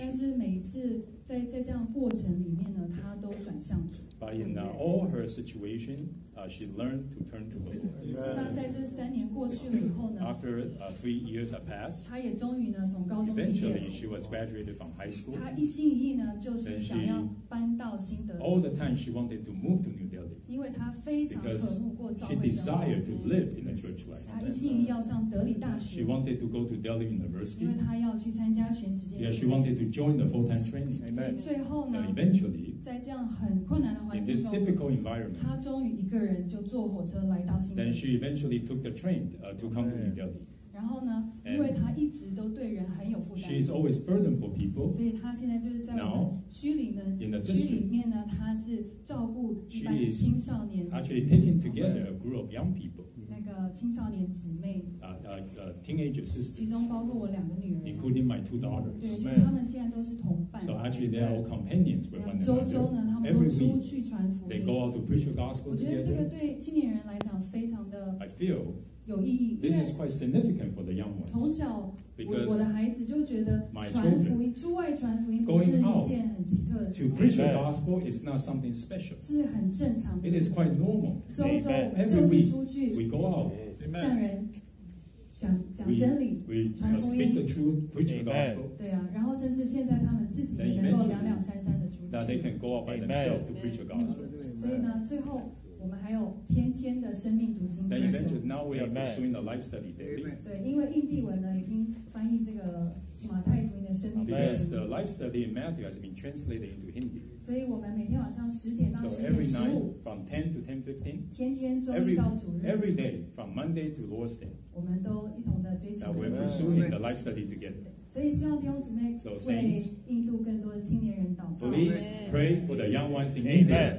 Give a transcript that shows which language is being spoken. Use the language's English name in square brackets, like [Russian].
[Chinese] 但是每次在这样过程里面呢，她都转向主。 [English] But in all her situation, she learned to turn to the Lord. [Chinese] 那在这三年过去了以后呢 [English] ？After 3 years have passed. [Chinese] 她也终于呢从高中毕业。 [English] Eventually she was graduated from high school. [Chinese] 她一心一意呢就是想要搬到新德里。 [English] All the time she wanted to move to New Delhi. [Chinese] 因为她非常渴慕过教会。 [English] She desired to live in the church life. [Chinese] 她一心一意要上德里大学。 [English] She wanted to go to Delhi University. [Chinese] 因为她要去参加全时间。 [English] Yeah, she wanted to join the full-time training. [Chinese] 所以最后呢 [English] ？Eventually. [Chinese] 在这样很困难的环境中 [English] ，In this difficult environment, [Chinese] 他终于一个人就坐火车来到新德里。 [English] Then she eventually took the train to come to New Delhi. [Chinese] 然后呢，因为他一直都对人很有负担 [English] ，She is always burden for people. [Chinese] 所以他现在就是在我们区里呢 [English] ，In the district, [Chinese] 区里面呢，他是照顾一般青少年 [English] ，Actually taking together a group of young people. [Chinese] 那个青少年姊妹 [English] teenager sisters， [Chinese] 其中包括我两个女儿 [English] including my two daughters， [Chinese] 对，其实他们现在都是同伴。 [English] So actually they are all companions with one another。 [Chinese] 周周呢，他们都出去传福音。 [English] They go out to preach the gospel together。 [Chinese] 我觉得这个对青年人来讲非常的 [English] I feel [Chinese] 有意义。 [English] This is quite significant for the young ones。 [Chinese] 从小我的孩子就觉得传福音，出外传福音不是一件很奇特的事情。 [English] To preach the gospel is not something special. [Chinese] 是很正常的。 [English] It is quite normal. [Chinese] 周周就是出去 [English] we go out, [Chinese] 向人讲真理，传福音。 [English] Speak the truth, preach the gospel. [Chinese] 对啊，然后甚至现在他们自己也能够两两三三的出去。 [English] That they can go out by themselves to preach the gospel. [Chinese] 所以呢，最后我们还有天天的生命读经。 [English] Then eventually, now we are pursuing the life study daily. [Chinese] 对，因为印地文呢已经翻译这个马太福音的生命读经。 [English] Because the life study in Matthew has been translated into Hindi. [Chinese] 所以我们每天晚上十点到十点十五。 [English] So every night from 10 to 10:15. [Chinese] 天天周一到主日。 [English] Every day from Monday to Lord's Day. [Chinese] 我们都一同的追求。 [English] That we're pursuing the life study together. [Chinese] 所以希望弟兄姊妹为印度更多的青年人祷告。 [English] Please pray for the young ones in India.